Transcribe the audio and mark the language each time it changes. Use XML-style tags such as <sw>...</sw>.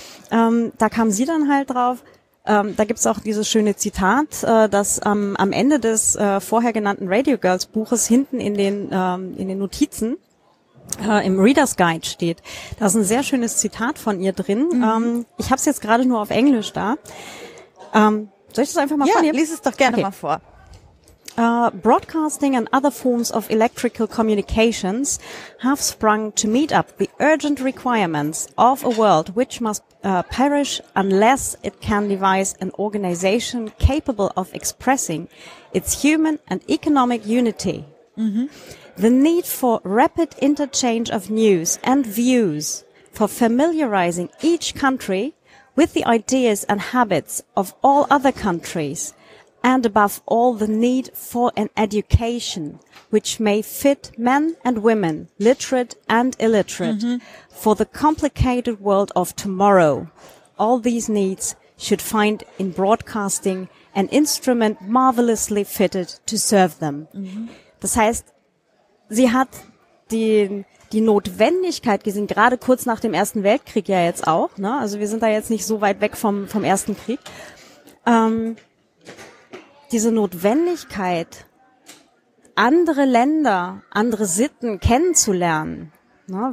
<de>Da kam sie dann halt drauf, da gibt's auch dieses schöne Zitat, dass am Ende des vorher genannten Radio Girls Buches hinten in den Notizen im Reader's Guide steht. Da ist ein sehr schönes Zitat von ihr drin. Mhm. Ich habe es jetzt gerade nur auf Englisch da. Soll ich das einfach mal vornehmen? Ja, lies es doch gerne mal vor.</de> <en>Broadcasting and other forms of electrical communications have sprung to meet up the urgent requirements of a world which must perish unless it can devise an organization capable of expressing its human and economic unity. Mm-hmm. The need for rapid interchange of news and views, for familiarizing each country with the ideas and habits of all other countries, and above all the need for an education which may fit men and women, literate and illiterate, mm-hmm. for the complicated world of tomorrow. All these needs should find in broadcasting an instrument marvelously fitted to serve them. Mm-hmm.</en> <de>Das heißt, sie hat die Notwendigkeit gesehen, gerade kurz nach dem Ersten Weltkrieg ja jetzt auch, ne? Also wir sind da jetzt nicht so weit weg vom Ersten Krieg. Diese Notwendigkeit, andere Länder, andere Sitten kennenzulernen, ne?</de>